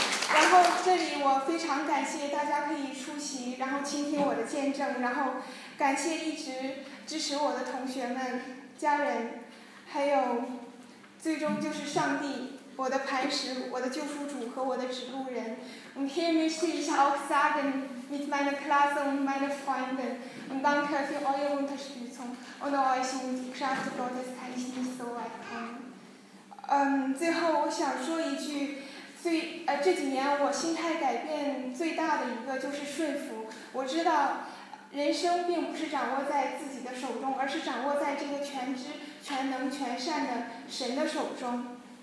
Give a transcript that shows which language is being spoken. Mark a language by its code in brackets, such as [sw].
[zh] 然后这里我非常感谢大家可以出席，然后倾听我的见证，然后感谢一直支持我的同学们、家人，还有最终就是上帝，我的磐石，我的救赎主和我的指路人。 [de] Und hier möchte ich auch sagen, mit meiner Klasse und meinen Freunden, und danke für eure Unterstützung und euch und die Kraft Gottes kann ich nicht so weit kommen. [zh] 最后我想说一句，这几年我心态改变最大的一个就是顺服。我知道人生并不是掌握在自己的手中，而是掌握在这个全知全能全善的神的手中。